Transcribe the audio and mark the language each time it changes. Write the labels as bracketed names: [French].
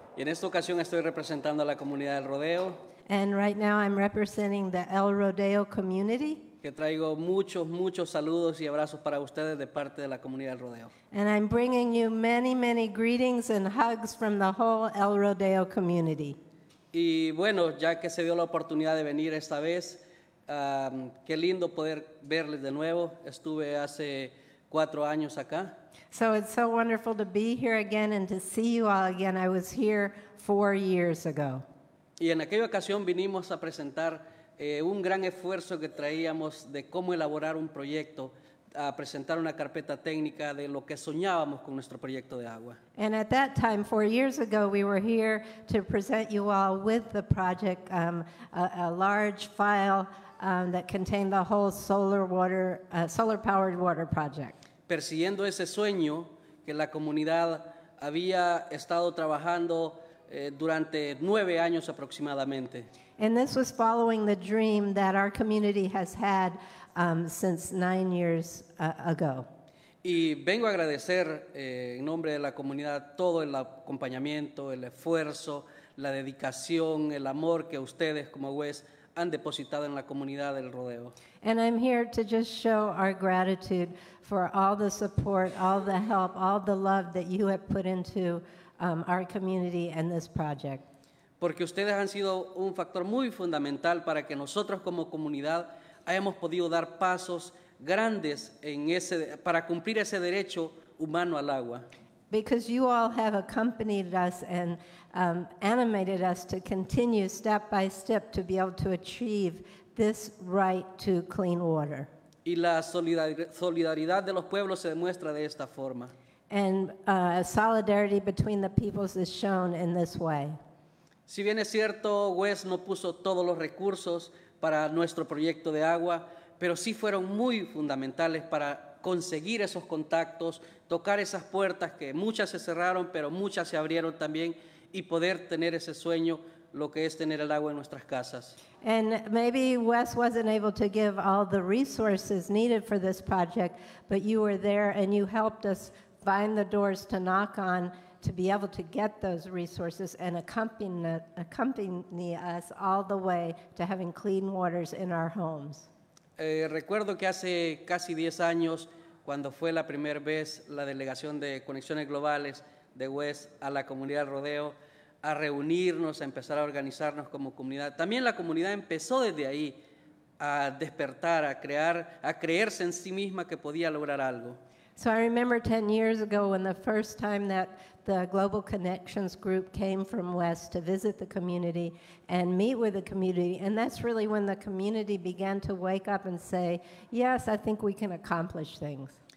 [Spanish] Y en esta ocasión estoy representando a la comunidad del Rodeo. [English] And right now I'm representing the El Rodeo community. [Spanish] Que traigo muchos, muchos saludos y abrazos para ustedes de parte de la comunidad del Rodeo. [English] And I'm bringing you many, many greetings and hugs from the whole El Rodeo community. [Spanish] Y bueno, ya que se dio la oportunidad de venir esta vez, qué lindo poder verles de nuevo. Estuve hace 4 años acá. [English] So it's so wonderful to be here again and to see you all again. I was here 4 years ago. [Spanish] Y en aquella ocasión vinimos a presentar un gran esfuerzo que traíamos de cómo elaborar un proyecto, a presentar una carpeta técnica de lo que soñábamos con nuestro proyecto de agua. [English] And at that time, 4 years ago, we were here to present you all with the project, a large file that contained the whole solar-powered water project. [Spanish] Persiguiendo ese sueño que la comunidad había estado trabajando durante 9 años aproximadamente. [English] And this was following the dream that our community has had since 9 years ago. [Spanish] Y vengo a agradecer en nombre de la comunidad todo el acompañamiento, el esfuerzo, la dedicación, el amor que ustedes como WES han depositado en la comunidad del Rodeo. [English] And I'm here to just show our gratitude for all the support, all the help, all the love that you have put into our community and this project. [Spanish] Porque ustedes han sido un factor muy fundamental para que nosotros como comunidad hayamos podido dar pasos grandes en ese, para cumplir ese derecho humano al agua. [English] Because you all have accompanied us and animated us to continue step by step to be able to achieve this right to clean water. [Spanish] Y la solidaridad de los pueblos se demuestra de esta forma. [English] And solidarity between the peoples is shown in this way. [Spanish] Si bien es cierto, WES no puso todos los recursos para nuestro proyecto de agua, pero sí fueron muy fundamentales para conseguir esos contactos, tocar esas puertas que muchas se cerraron, pero muchas se abrieron también, y poder tener ese sueño, lo que es tener el agua en nuestras casas. [English] And maybe Wes wasn't able to give all the resources needed for this project, but you were there and you helped us find the doors to knock on to be able to get those resources and accompany us all the way to having clean waters in our homes. [Spanish] Recuerdo que hace casi 10 años, cuando fue la primera vez la delegación de Conexiones Globales de WES a la comunidad Rodeo, a reunirnos, a empezar a organizarnos como comunidad. También la comunidad empezó desde ahí a despertar, a crear, a creerse en sí misma que podía lograr algo. [English] So I remember 10 years ago when the first time that the Global Connections Group came from WES to visit the community and meet with the community. And that's really when the community began to wake up and say, yes, I think we can accomplish things.